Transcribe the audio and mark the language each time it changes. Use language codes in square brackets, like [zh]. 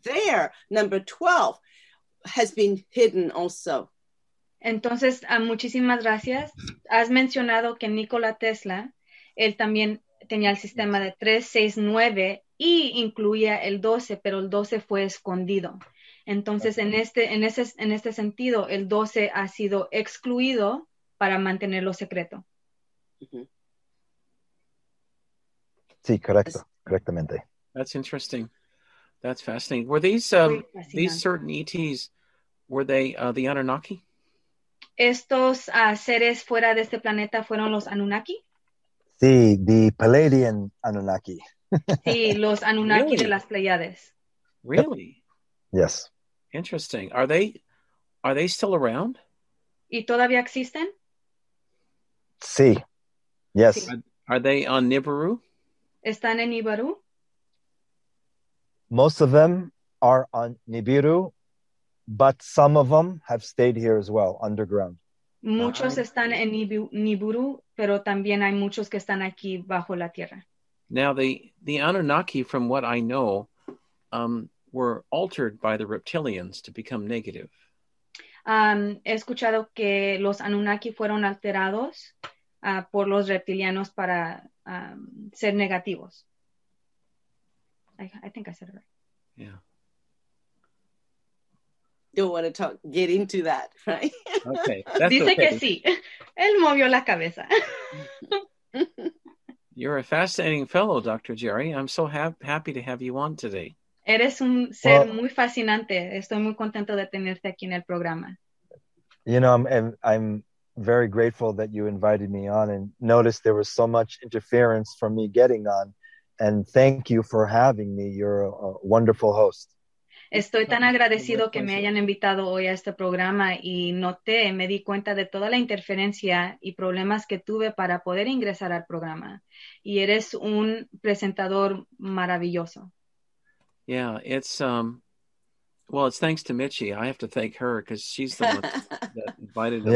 [en] There, number 12 has been hidden also. [es] Entonces, muchísimas gracias. Has mencionado que Nikola Tesla, él también tenía el sistema de 3, 6, 9 y incluía el 12, pero el 12 fue escondido. Entonces, okay. en este sentido, el 12 ha sido excluido para mantenerlo secreto. Mm-hmm. Sí, correcto. Correctamente. [en] That's interesting. That's fascinating. Were these certain ETs, were they the Anunnaki? [es] Estos seres fuera de este planeta fueron los Anunnaki? [en] Sí, the Palladian Anunnaki. [es] Sí, los Anunnaki [en] really? [es] De las Pleiades. [en] Really? Yes. Interesting. Are they still around? [es] ¿Y todavía existen? Sí. Yes. Sí. [en] Are they on Nibiru? [es] ¿Están en Nibiru? [en] Most of them are on Nibiru. But some of them have stayed here as well, underground. [es] Muchos están en Nibiru, pero también hay muchos que están aquí bajo la tierra. [en] Now, the Anunnaki, from what I know, were altered by the reptilians to become negative. [es] He escuchado que los Anunnaki fueron alterados por los reptilianos para ser negativos. [en] I think I said it right. Yeah. Don't want to talk, get into that, right? Okay. [es] Dice [en] okay. [es] Que sí. Él movió la cabeza. [en] You're a fascinating fellow, Dr. Jerry. I'm so happy to have you on today. [es] Eres un ser muy fascinante. Estoy muy contento de tenerte aquí en el programa. [en] You know, I'm very grateful that you invited me on and noticed there was so much interference from me getting on. And thank you for having me. You're a wonderful host. [es] Estoy tan agradecido que me hayan invitado hoy a este programa y noté, me di cuenta de toda la interferencia y problemas que tuve para poder ingresar al programa. Y eres un presentador maravilloso. [en] Yeah, it's thanks to Michi. I have to thank her because she's the one that invited me.